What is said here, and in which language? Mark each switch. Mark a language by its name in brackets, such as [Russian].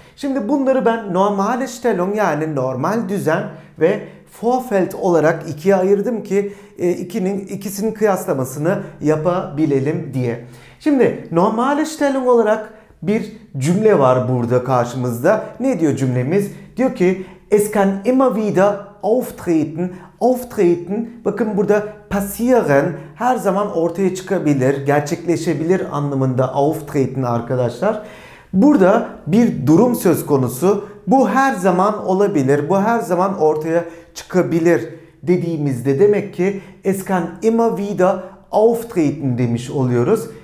[Turkish] Şimdi bunları ben normale Stellung, yani normal düzen, ve Vorfeld olarak ikiye ayırdım ki ikisinin kıyaslamasını yapabilelim diye. Şimdi normale Stellung olarak bir cümle var burada karşımızda. Ne diyor cümlemiz? Diyor ki [German] es kann immer wieder auftreten. [Turkish] Auftreten, bakın burada passieren, her zaman ortaya çıkabilir, gerçekleşebilir anlamında auftreten arkadaşlar. Burada bir durum söz konusu. Bu her zaman olabilir, bu her zaman ortaya çıkabilir dediğimizde demek ki [German] es kann immer wieder auftreten [Turkish] demiş oluyoruz.